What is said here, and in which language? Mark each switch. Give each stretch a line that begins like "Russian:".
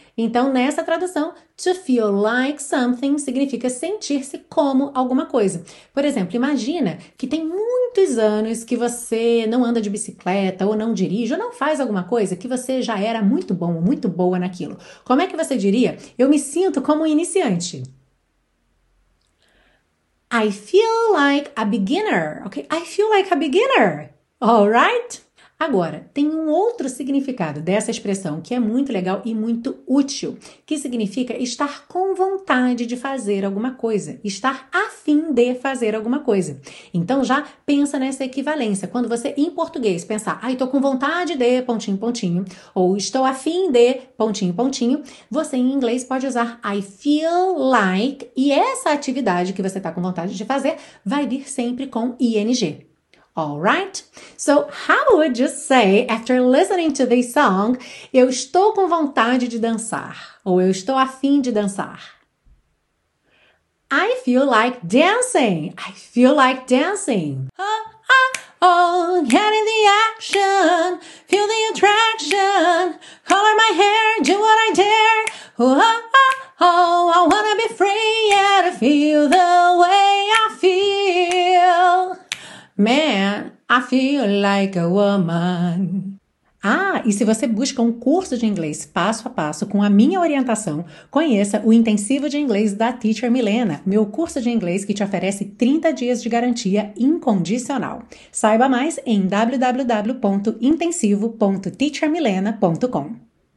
Portuguese: Então, nessa tradução,
English: to feel like something
Portuguese: significa sentir-se como alguma coisa. Por exemplo, imagina que tem muitos anos que você não anda de bicicleta, ou não dirige, ou não faz alguma coisa que você já era muito bom, muito boa naquilo. Como é que você diria? Eu me sinto como um iniciante.
English: I feel like a beginner, ok? I feel like a beginner, all right?
Portuguese: Agora, tem um outro significado dessa expressão que é muito legal e muito útil, que significa estar com vontade de fazer alguma coisa, estar a fim de fazer alguma coisa. Então, já pensa nessa equivalência. Quando você, em português, pensar, ai, tô com vontade de, pontinho, pontinho, ou estou a fim de, pontinho, pontinho, você, em inglês, pode usar
English: I feel like,
Portuguese: e essa atividade que você está com vontade de fazer vai vir sempre com ing.
English: All right? So, how would you say, after listening to this song,
Portuguese: eu estou com vontade de dançar? Ou eu estou a fim de dançar?
English: I feel like dancing. I feel like dancing. Oh, oh, oh, get in the action. Feel the attraction. Color my hair, do what I dare. Oh, oh, oh, I wanna be free, yeah, to feel the way I feel. Man, I feel like a woman.
Portuguese: Ah, e se você busca um curso de inglês passo a passo com a minha orientação, conheça o Intensivo de Inglês da Teacher Milena, meu curso de inglês que te oferece 30 dias de garantia incondicional. Saiba mais em www.intensivo.teachermilena.com.